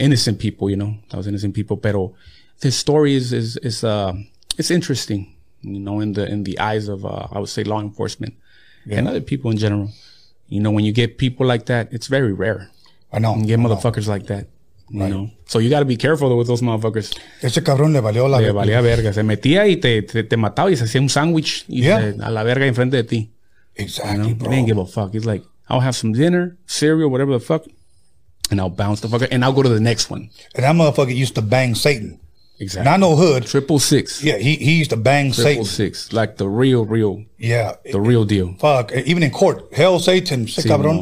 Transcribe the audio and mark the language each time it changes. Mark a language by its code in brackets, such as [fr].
[en] Innocent people, you know, that was innocent people, pero. His story is interesting, you know, in the eyes of I would say law enforcement and other people in general. You know, when you get people like that, it's very rare. I know. You get motherfuckers like that. You know. So you gotta be careful with those motherfuckers. [es] Ese cabrón le valió la verga. Le valía verga. Se metía y te mataba y se hacía un sándwich y a la verga enfrente de ti. [en] Exactly, you know? Bro. They didn't give a fuck. He's like, I'll have some dinner, cereal, whatever the fuck, and I'll bounce the fucker and I'll go to the next one. And that motherfucker used to bang Satan. Exactly. Not no hood. 666. Yeah, he used to bang triple 666. Like the real. Yeah. The real deal. Fuck. Even in court. Hell, Satan. [es] Sí, cabrón.